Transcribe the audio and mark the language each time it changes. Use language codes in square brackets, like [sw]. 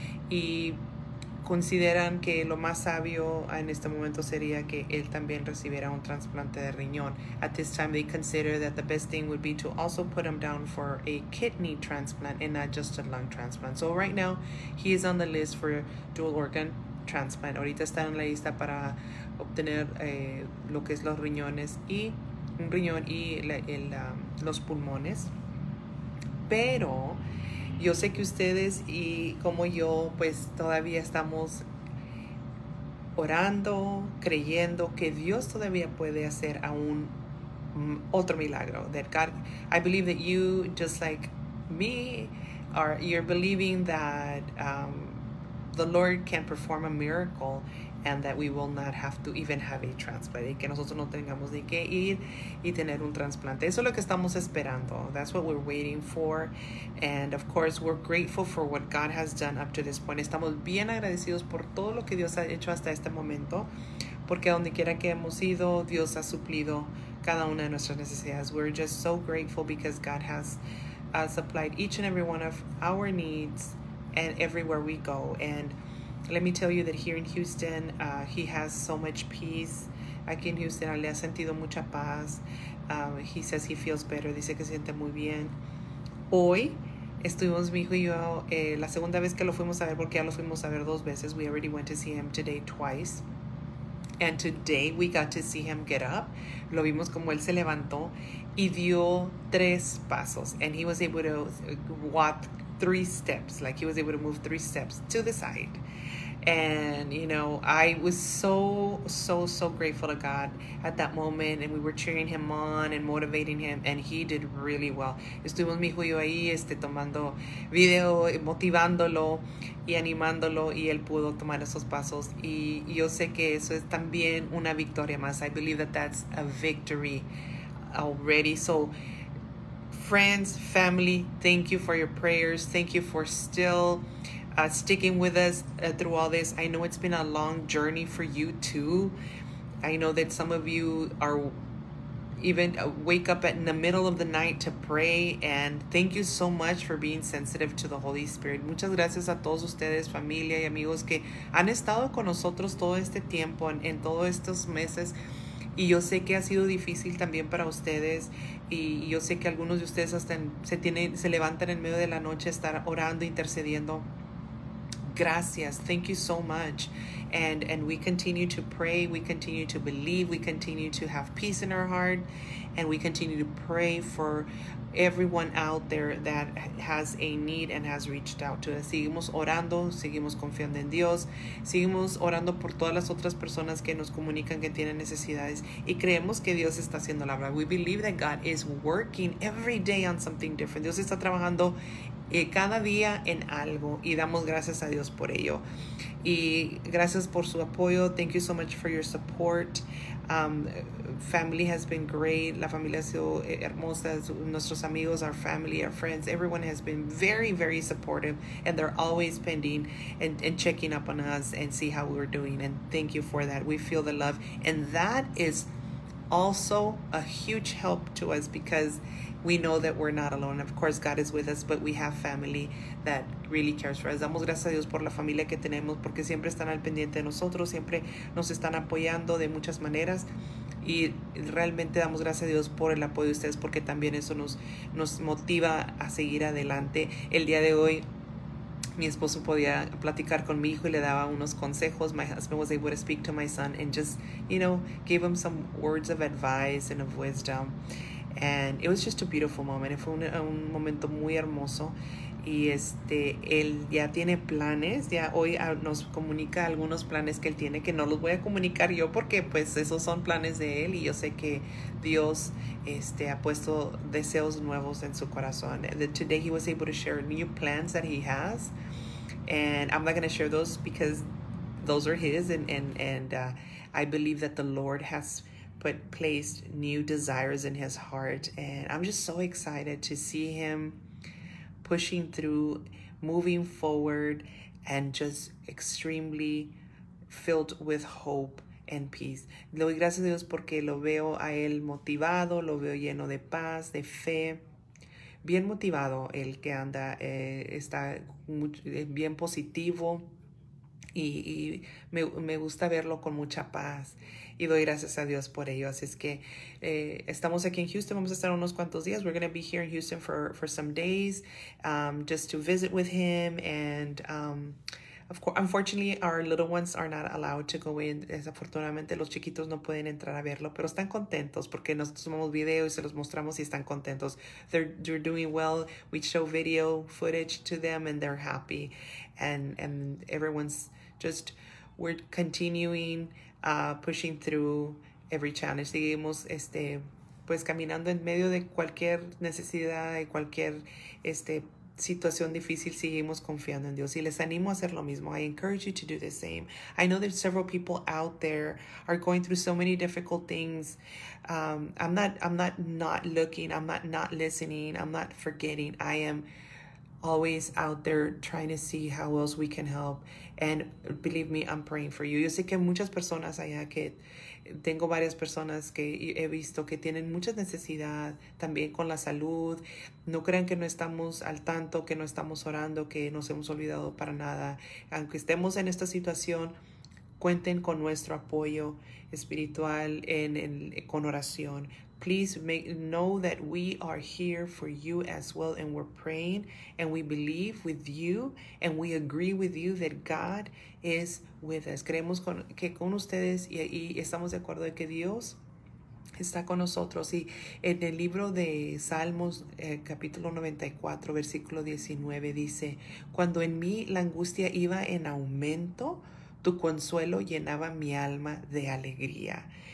[es] Y consideran que lo más sabio en este momento sería que él también recibiera un trasplante de riñón. [en] At this time, they consider that the best thing would be to also put him down for a kidney transplant and not just a lung transplant. So right now, he is on the list for dual organ transplant. [es] Ahorita está en la lista para obtener lo que es los riñones y un riñón y los pulmones. Pero yo sé que ustedes y como yo, pues todavía estamos orando, creyendo que Dios todavía puede hacer aún otro milagro. [en] That God, I believe that you, just like me, you're believing that the Lord can perform a miracle and that we will not have to even have a transplant. [es] Y que nosotros no tengamos ni que ir y tener un trasplante. Eso es lo que estamos esperando. [en] That's what we're waiting for. And of course, we're grateful for what God has done up to this point. [es] Estamos bien agradecidos por todo lo que Dios ha hecho hasta este momento. Porque donde quiera que hemos ido, Dios ha suplido cada una de nuestras necesidades. [en] We're just so grateful because God has supplied each and every one of our needs and everywhere we go. And let me tell you that here in Houston, he has so much peace. [es] Aquí en Houston, le ha sentido mucha paz. [en] He says he feels better. [es] Dice que se siente muy bien. Hoy, estuvimos mi hijo y yo, la segunda vez que lo fuimos a ver, porque ya lo fuimos a ver dos veces. [en] We already went to see him today twice. And today, we got to see him get up. [es] Lo vimos como él se levantó y dio tres pasos. [en] And he was able to walk 3 steps. Like, he was able to move 3 steps to the side. And, you know, I was so, so, so grateful to God at that moment. And we were cheering him on and motivating him. And he did really well. [es] Estuvimos mi hijo y yo ahí, tomando video, motivándolo y animándolo. Y él pudo tomar esos pasos. Y yo sé que eso es también una victoria más. [en] I believe that that's a victory already. So, friends, family, thank you for your prayers. Thank you for still sticking with us through all this. I know it's been a long journey for you too. I know that some of you are even wake up in the middle of the night to pray. And thank you so much for being sensitive to the Holy Spirit. [es] Muchas gracias a todos ustedes, familia y amigos que han estado con nosotros todo este tiempo, en todos estos meses. Y yo sé que ha sido difícil también para ustedes. Y yo sé que algunos de ustedes hasta se levantan en medio de la noche a estar orando, intercediendo. Gracias. [en] Thank you so much. And we continue to pray, we continue to believe, we continue to have peace in our heart, and we continue to pray for everyone out there that has a need and has reached out to us. [es] Seguimos orando, seguimos confiando en Dios, seguimos orando por todas las otras personas que nos comunican que tienen necesidades, y creemos que Dios está haciendo la obra. [en] We believe that God is working every day on something different. [es] Dios está trabajando cada día en algo, y damos gracias a Dios por ello. Y gracias por su apoyo. [en] Thank you so much for your support. Family has been great. [es] La familia ha sido hermosa. Nuestros amigos, [en] our family, our friends, everyone has been very, very supportive, and they're always pending and checking up on us and see how we're doing. And thank you for that. We feel the love, and that is also a huge help to us, because we know that we're not alone. Of course, God is with us, but we have family that really cares for us. [es] Damos gracias a Dios por la familia que tenemos, porque siempre están al pendiente de nosotros, siempre nos están apoyando de muchas maneras. Y realmente damos gracias a Dios por el apoyo de ustedes, porque también eso nos motiva a seguir adelante. El día de hoy, mi esposo podía platicar con mi hijo y le daba unos consejos. [en] My husband was able to speak to my son and just, you know, gave him some words of advice and of wisdom. And it was just a beautiful moment. [es] Fue un momento muy hermoso. Y él ya tiene planes. Ya hoy nos comunica algunos planes que él tiene, que no los voy a comunicar yo, porque pues esos son planes de él. Y yo sé que Dios ha puesto deseos nuevos en su corazón. [en] Today he was able to share new plans that he has. And I'm not going to share those, because those are his. And I believe that the Lord has but placed new desires in his heart. And I'm just so excited to see him pushing through, moving forward, and just extremely filled with hope and peace. [es] Le doy gracias a Dios porque lo veo a él motivado, lo veo lleno de paz, de fe. Bien motivado el que anda, está bien positivo. Y me gusta verlo con mucha paz, y doy gracias a Dios por ello. Así es que estamos aquí en Houston, vamos a estar unos cuantos días. [en] We're going to be here in Houston for some days, just to visit with him. And of course, unfortunately, our little ones are not allowed to go in. [es] Desafortunadamente, los chiquitos no pueden entrar a verlo, pero están contentos porque nosotros tomamos video y se los mostramos, y están contentos. [en] They're doing well. We show video footage to them, and they're happy. And everyone's just, we're continuing pushing through every challenge. [es] Seguimos pues caminando en medio de cualquier necesidad, de cualquier situación difícil. Seguimos confiando en Dios, y les animo a hacer lo mismo. [en] I encourage you to do the same. I know there's several people out there are going through so many difficult things. I'm not looking, I'm not listening, I'm not forgetting. I am always out there trying to see how else we can help. And believe me, I'm praying for you. [es] Yo sé que muchas personas allá, que tengo varias personas que he visto que tienen mucha necesidad también con la salud. No crean que no estamos al tanto, que no estamos orando, que nos hemos olvidado para nada. Aunque estemos en esta situación, cuenten con nuestro apoyo espiritual con oración. [en] Please know that we are here for you as well, and we're praying, and we believe with you, and we agree with you that God is with us. [es] Creemos que con ustedes, y estamos de acuerdo de que Dios está con nosotros. Y en el libro de Salmos, capítulo 94, versículo 19, dice, cuando en mí la angustia iba en aumento, tu consuelo llenaba mi alma de alegría.